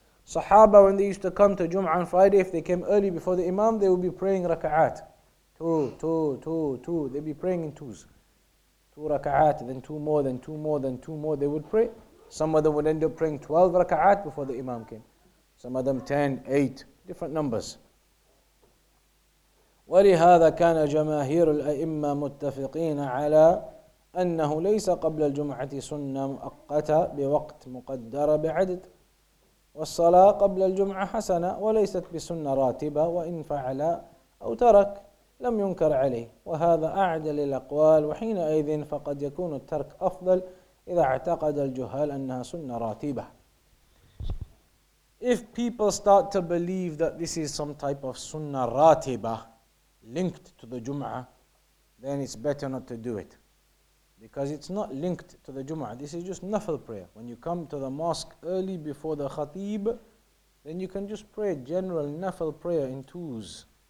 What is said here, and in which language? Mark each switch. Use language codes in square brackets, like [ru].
[en] Sahaba, when they used to come to Jum'ah on Friday, if they came early before the Imam, they would be praying raka'at. Two. They'd be praying in twos. Two raka'at, then two more, then two more, then two more. They would pray. Some of them would end up praying 12 raka'at before the Imam came. some of them 10, 8, different numbers. [ar] ولهذا كان جماهير الأئمة متفقين على أنه ليس قبل الجمعة سنة مؤقتة بوقت مقدر بعدد والصلاة قبل الجمعة حسنة وليست بسنة راتبة وإن فعل أو ترك لم ينكر عليه وهذا أعدل الأقوال وحينئذ فقد يكون الترك أفضل إذا اعتقد الجهال أنها سنة راتبة. [en] If people start to believe that this is some type of sunnah ratiba linked to the Jum'ah, then it's better not to do it. Because it's not linked to the Jum'ah. This is just nafil prayer. When you come to the mosque early before the khatib, then you can just pray general nafil prayer in twos.